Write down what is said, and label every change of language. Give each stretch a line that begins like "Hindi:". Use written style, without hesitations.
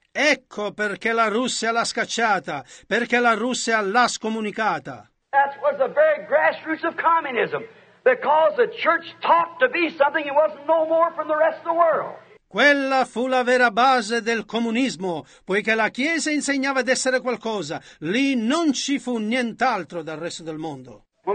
Italian: Ecco perché la Russia l'ha scacciata, perché la Russia l'ha scomunicata.
English: That was the very grassroots of communism, because the church taught to be something it wasn't no more from the rest of the world.
Italian: Quella fu la vera base del comunismo, poiché la Chiesa insegnava ad essere qualcosa. Lì non ci fu nient'altro dal resto del mondo.